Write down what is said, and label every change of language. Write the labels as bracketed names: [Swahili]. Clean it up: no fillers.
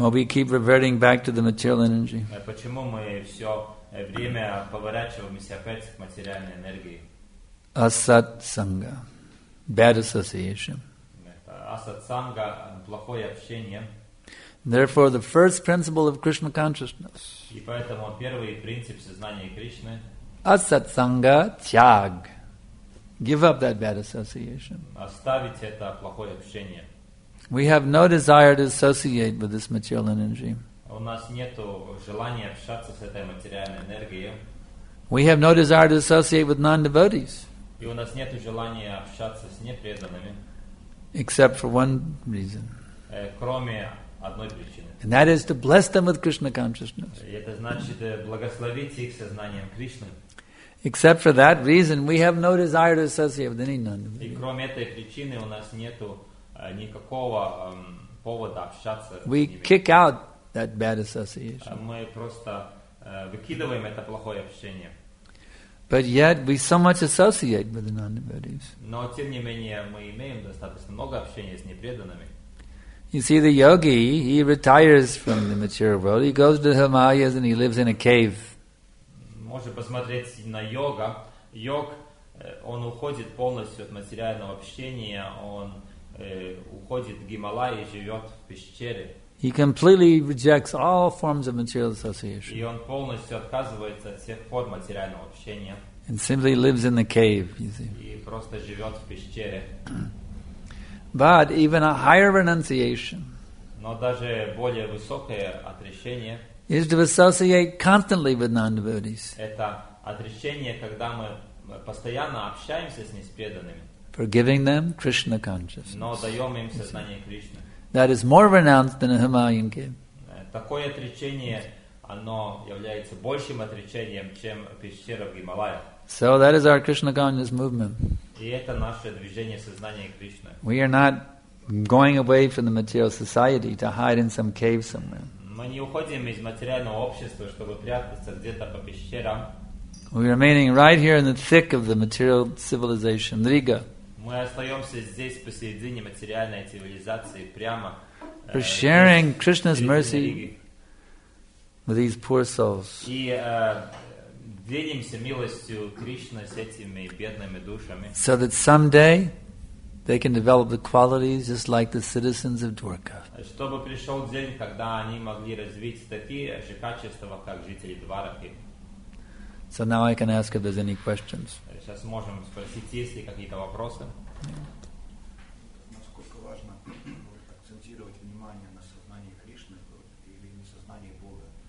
[English] Well, we keep reverting back to the material energy. [Russian] Почему мы все время поворачиваемся опять к материальной энергии? [English] Асат санга, bad association. [Russian] Асат санга, плохое общение. [English] Therefore, the first principle of Krishna consciousness. [Russian] И поэтому первый принцип сознания Кришны. [English] Asat sanga tyag. Give up that bad association. [Russian] Оставить это плохое общение. [English] We have no desire to associate with this material energy. [Russian] У нас нету желания общаться с этой материальной энергией. [English] We have no desire to associate with non-devotees. [Russian] И у нас нету желания общаться с непреданными. [English] Except for one reason. [Russian] Кроме одной причины. [English] And that is to bless them with Krishna consciousness. [Russian] И это значит благословить их сознанием Кришны. [English] Except for that reason, we have no desire to associate with any non-devotee. [Russian] И кроме этой причины у нас нету никакого повода общаться. [English] We kick out that bad association. [Russian] Мы просто выкидываем это плохое общение. [English] But yet we so much associate with the non-devotees. [Russian] Но тем не менее мы имеем достаточно много общения с непреданными. [English] You see, the yogi, he retires from the material world. He goes to the Himalayas and he lives in a cave. [Russian] Можно посмотреть на йога. Йог он уходит полностью от материального общения, он уходит в Гималаи и живет в пещере. [English] He completely rejects all forms of material association. [Russian] И он полностью отказывается от всех форм материального общения. [English] And simply lives in the cave, you see. [Russian] И просто живет в пещере. [English] But even a higher renunciation, [Russian] но даже более высокое отрешение, [English] is to associate constantly with non-devotees. [Russian] Это отрешение, когда мы постоянно общаемся с неспреданными. [English] Forgiving them Krishna consciousness. [Russian] Но даем им сознание Кришны. [English] That is more renounced than a Himalayan cave. [Russian] Такое отречение, оно является большим отречением, чем пещера в Гималаях. [English] So that is our Krishna consciousness movement. [Russian] И это наше движение сознания Кришны. [English] We are not going away from the material society to hide in some cave somewhere. [Russian] Мы не уходим из материального общества, чтобы прятаться где-то по пещерам. [English] We are remaining right here in the thick of the material civilization, Riga. [Russian] Мы остаемся здесь посередине материальной цивилизации прямо. [English] For sharing Krishna's mercy with these poor souls. [Russian] И делимся милостью Кришны с этими бедными душами. [English] So that someday they can develop the qualities just like the citizens of Dwarka. [Russian] Чтобы пришел день, когда они могли развить такие же качества, как жители Двараки. [English] So now I can ask if there's any questions. [Russian] Сейчас можем спросить, есть ли какие-то вопросы. Насколько важно акцентировать внимание на сознании Кришны или на сознании Бога?